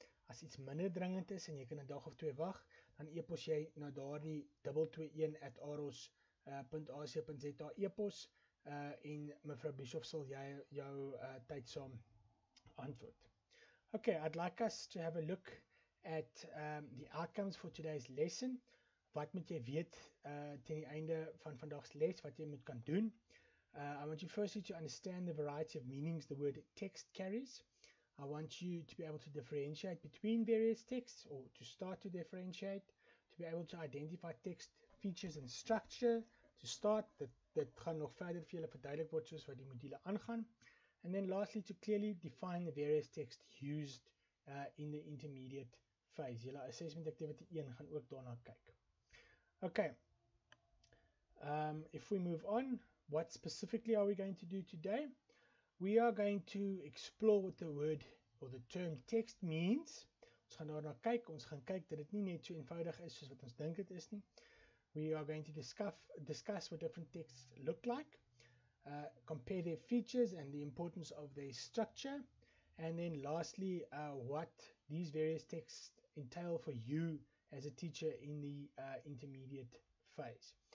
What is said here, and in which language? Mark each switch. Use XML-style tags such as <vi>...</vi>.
<af>As iets minder dringend is en jy kan 'n dag of twee wag, dan e-pos jy na daardie 221@aros.ac.za e-pos en mevrou Bischoff sal jy jou tydsaam antwoord.</af> <en>Okay, I'd like us to have a look at the outcomes for today's lesson.</en> <af>Wat moet jy weet ten die einde van vandag se les, wat jy moet kan doen?</af> <en>I want you firstly to understand the variety of meanings the word text carries. I want you to be able to differentiate between various texts, or to start to differentiate, to be able to identify text features and structure, to start,</en> <af>dit gaan nog verder vir julle verduidelik word soos wat die module aangaan.</af> <en>And then lastly, to clearly define the various texts used in the intermediate phase.</en> <af>Julle assessment activity 1 gaan ook daarna kyk.</af> <en>Okay, if we move on, what specifically are we going to do today? We are going to explore what the word or the term text means.</en> <af>Ons gaan daarna kyk, ons gaan kyk dat dit nie net so eenvoudig is soos wat ons dink dit is nie.</af> <en>We are going to discuss what different texts look like, compare their features and the importance of their structure, and then lastly, what these various texts entail for you as a teacher in the intermediate phase.</en>